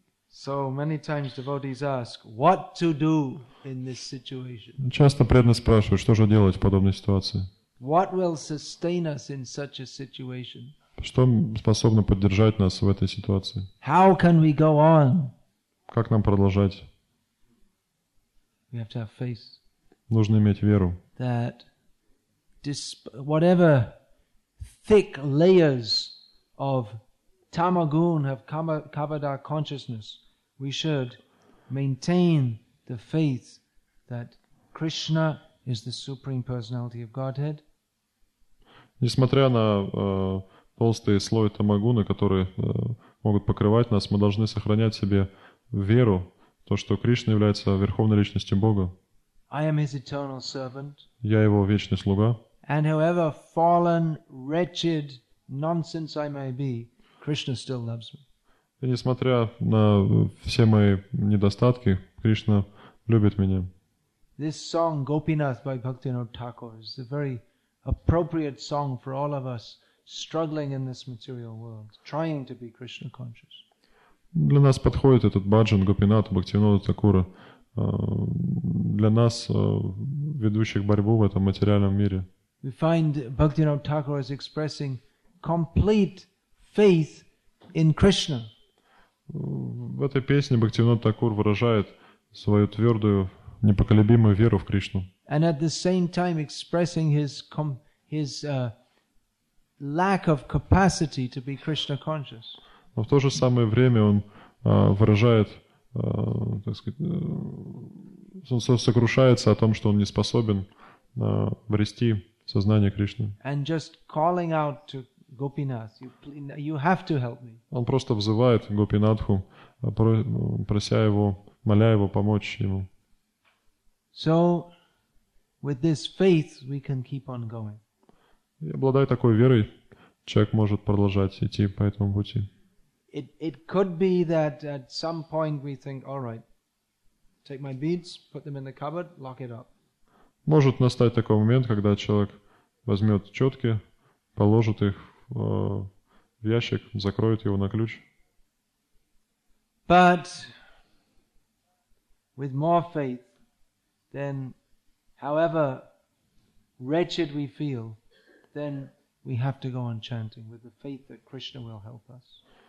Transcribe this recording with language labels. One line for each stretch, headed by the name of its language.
English: So many times devotees ask, what to do in this situation?
Russian: Часто преданные спрашивают, что же делать в подобной ситуации?
English: What will sustain us in such a situation?
Russian: Что способно поддержать нас в этой ситуации?
English: How can we go on?
Russian: Как нам продолжать?
English: We have to have faith.
Russian: Нужно иметь веру.
English: That whatever thick layers of tamagun have covered our consciousness, we should maintain the faith that Krishna is the Supreme Personality of Godhead.
Russian: Несмотря на толстые слои тамагуна, которые могут покрывать нас, мы должны сохранять в себе веру, то, что Кришна является Верховной Личностью Бога.
English: I am his eternal servant.
Russian: Я Его вечный слуга.
English: And however fallen, wretched nonsense I may be, Krishna still loves me.
Russian: И несмотря на все мои недостатки, Кришна любит меня.
English: This song, Gopinath by Bhaktivinoda Thakur, is a very appropriate song for all of us struggling in this material world, trying to be Krishna conscious.
Russian: Для нас подходит этот баджан Гопинатха Бхактивинода Такура, для нас, ведущих борьбу в этом материальном мире.
English: We find Bhaktivinoda Thakur is expressing complete faith in Krishna.
Russian: В этой песне Бхактивинода Такур выражает свою твердую, непоколебимую веру в Кришну.
English: And at the same time expressing his lack of capacity to be Krishna conscious.
Russian: Но в то же самое время он выражает, так сказать, он сокрушается о том, что он не способен обрести сознание Кришны.
English: And just calling out to Gopinath, you have to help me.
Russian: Он просто взывает Гопинатху, прося его, моля его помочь ему.
English: So with this faith we can keep on going.
Russian: И обладая такой верой, человек может продолжать идти по этому пути.
English: It could be that at some point we think, all right, take my beads, put them in the cupboard, lock it up.
Russian: Может настать такой момент, когда человек возьмет четки, положит их в ящик, закроет его на ключ.
English: But with more faith, then however wretched we feel, then we have to go on chanting with the faith that Krishna will help us.